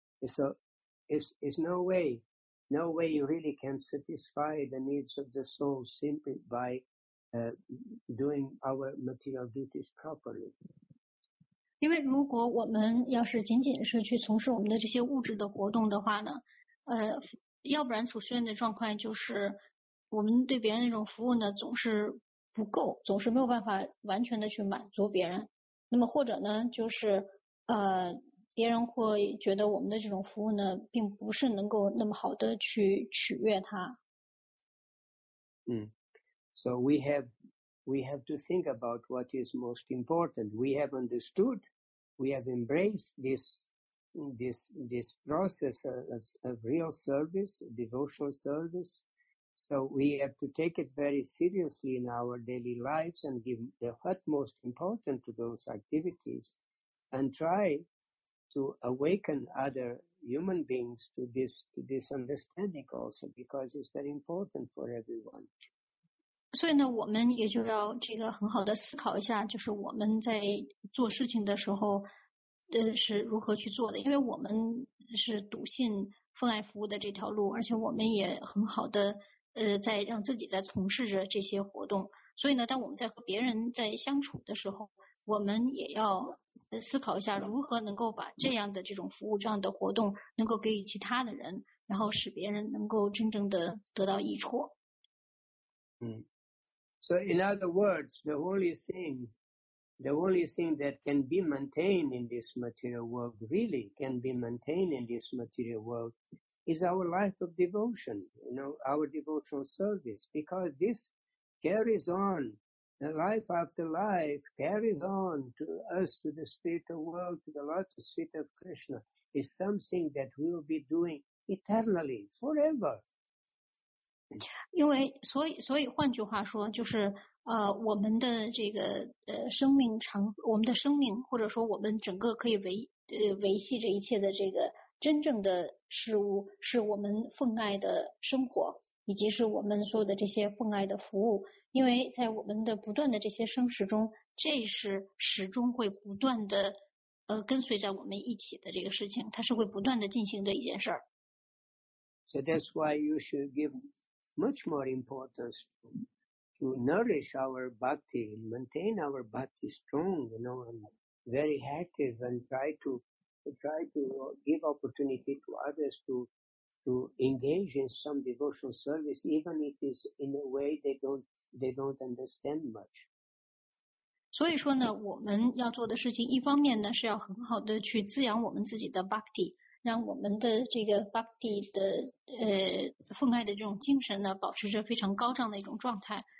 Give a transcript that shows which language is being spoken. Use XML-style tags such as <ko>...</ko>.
<en>So it's no way you really can satisfy the needs of the soul simply by doing our material duties properly.</en> <zh>因为如果我们要是仅仅是去从事我们的这些物质的活动的话呢，要不然处事人的状况就是我们对别人那种服务呢总是不够，总是没有办法完全的去满足别人。那么或者呢，就是别人会觉得我们的这种服务呢并不是能够那么好的去取悦他。</zh> <en>So we have to think about what is most important. We have understood, we have embraced this process of real service, devotional service. So we have to take it very seriously in our daily lives and give the utmost importance to those activities and try to awaken other human beings to this understanding also, because it's very important for everyone.</en> <zh>所以呢，我们也就要这个很好的思考一下，就是我们在做事情的时候是如何去做的，因为我们是笃信奉爱服务的这条路，而且我们也很好的在让自己在从事着这些活动。所以呢，当我们在和别人在相处的时候，我们也要思考一下如何能够把这样的这种服务这样的活动能够给予其他的人，然后使别人能够真正的得到益处。</zh> <en>So in other words, the only thing that can be maintained in this material world, really can be maintained in this material world, is our life of devotion, you know, our devotional service, because this carries on, the life after life carries on to us, to the spiritual world, to the lotus feet of Krishna, is something that we will be doing eternally, forever.</en> <zh>因为所以换句话说，就是我们的这个生命长，我们的生命或者说我们整个可以维系这一切的这个真正的事物，是我们奉爱的生活，以及是我们所有的这些奉爱的服务。因为在我们的不断的这些生死中，这是始终会不断的跟随着我们一起的这个事情，它是会不断的进行的一件事儿。</zh> <en>So that's why you should give much more importance to nourish our bhakti, maintain our bhakti strong, you know, and very active, and try to give opportunity to others to engage in some devotional service, even if it is in a way they don't understand much.</en> <zh>所以说呢，我们要做的事情，一方面呢是要很好的去滋养我们自己的 bhakti。让我们的这个 bhakti 的奉爱的这种精神呢，保持着非常高涨的一种状态。</zh>